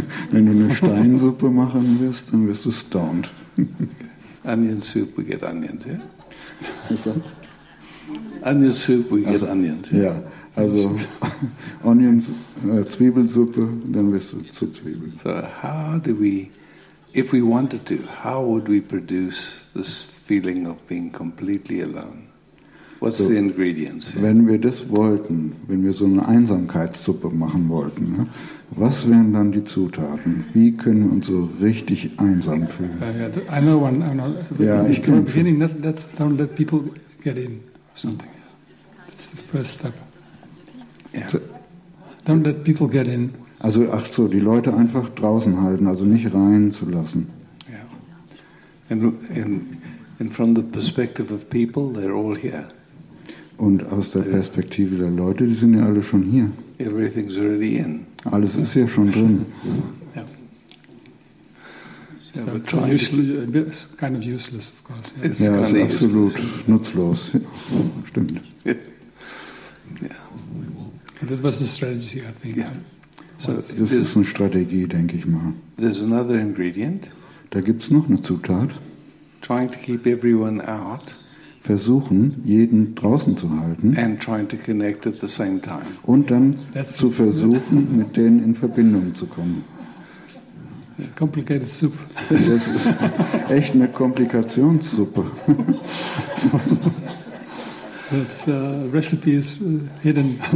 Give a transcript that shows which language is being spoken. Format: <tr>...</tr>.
<de>Wenn du eine Steinsuppe machen wirst, dann wirst du stoned.</de> <en>Onion soup, we get onions, yeah? Onion soup, we get onions. Yeah?</en> <de>Ja, also Onions, Zwiebelsuppe, dann wirst du zu Zwiebeln.</de> <en>So how do we, if we wanted to, how would we produce this feeling of being completely alone? What's the ingredients?</en> <de>Wenn wir das wollten, wenn wir so eine Einsamkeitssuppe machen wollten, was wären dann die Zutaten? Wie können wir uns so richtig einsam fühlen?</de> <en>I know one. I know.</en> <de>Ja, ich kann.</de> <en>From the beginning, don't let people get in or something. That's the first step. Yeah. Don't let people get in.</en> <de>Also ach so, die Leute einfach draußen halten, also nicht reinzulassen. Ja. Yeah.</de> <en>And from the perspective of people, they're all here.</en> <de>Und aus der Perspektive der Leute, die sind ja alle schon hier.</de> <en>Everything's already in.</en> <de>Alles ist ja schon drin.</de> <en>Yeah. So it's useless, kind of useless, of course.</en> <de>Yeah. Ja, es ist absolut nutzlos. Ja. Stimmt.</de> <en>Yeah. Yeah. That was the strategy, I think. Yeah.</en> <de>Das ist eine Strategie, denke ich mal.</de> <en>There's another ingredient.</en> <de>Da gibt's noch eine Zutat.</de> <en>Trying to keep everyone out.</en> <de>versuchen, jeden draußen zu halten</de> <en>and trying to connect at the same time.</en> <de>Und dann zu versuchen, mit denen in Verbindung zu kommen.</de> <en>It's a complicated soup.</en> <de>Das ist echt eine Komplikationssuppe.</de> <en>That's, recipe is hidden.</en>